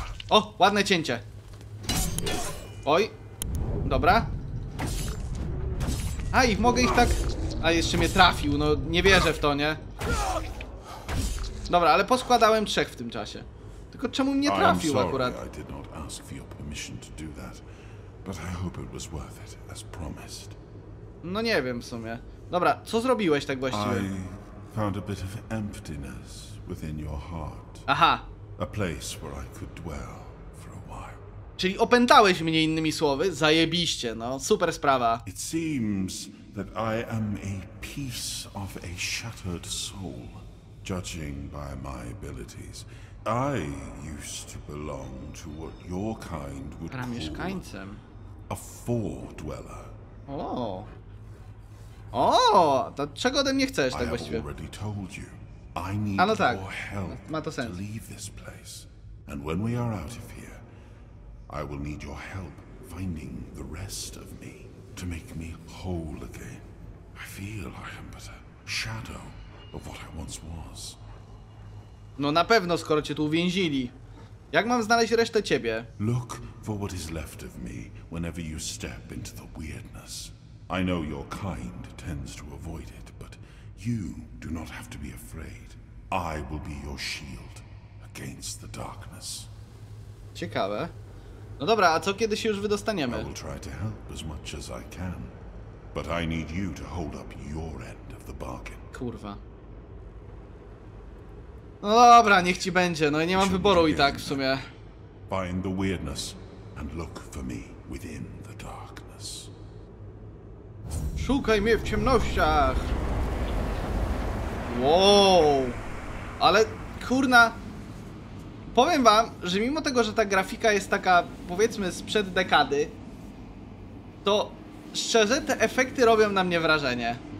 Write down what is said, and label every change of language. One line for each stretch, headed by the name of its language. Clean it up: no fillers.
Polish: O, ładne cięcie. Oj. Dobra. A i mogę ich tak... A jeszcze mnie trafił, no nie wierzę w to, nie? Dobra, ale poskładałem trzech w tym czasie. Tylko czemu mnie trafił akurat?
English: I did not ask for your permission to do that, but I hope it was worth it, as promised.
Polish: No nie wiem w sumie. Dobra, co zrobiłeś tak właściwie?
English: I found a bit of emptiness within your heart.
Polish: Aha.
English: A place where I could dwell for a while.
Polish: Czyli opętałeś mnie, innymi słowy, zajebiście, no super sprawa.
English: It seems that I am a piece of a shattered soul. Judging by my abilities, I used to belong to what your kind would
Polish: Ramieszkańcem.
English: Call a foredweller.
Polish: O, to czego ode mnie chcesz tak właściwie?
English: I have already told you, I need your help to leave this place. And when we are out of here, I will need your help finding the rest of me to make me whole again. I feel I am but a shadow. Of what I once was.
Polish: No na pewno, skoro cię tu uwięzili. Jak mam znaleźć resztę ciebie?
English: Look for what is left of me whenever you step into the weirdness. I know your kind tends to avoid it, but you do not have to be afraid. I will be your shield against the darkness.
Polish: Ciekawe. No dobra, a co kiedy się już wydostaniemy? I will try to help as much as I can, but I need you to hold up your end of the bargain. Kurwa. No dobra, niech ci będzie. No nie mam wyboru i tak w sumie.
English: Find the weirdness and look for me within the darkness.
Polish: Szukaj mnie w ciemnościach. Wow. Ale kurna. Powiem wam, że mimo tego, że ta grafika jest taka, powiedzmy, sprzed dekady, to szczerze te efekty robią na mnie wrażenie.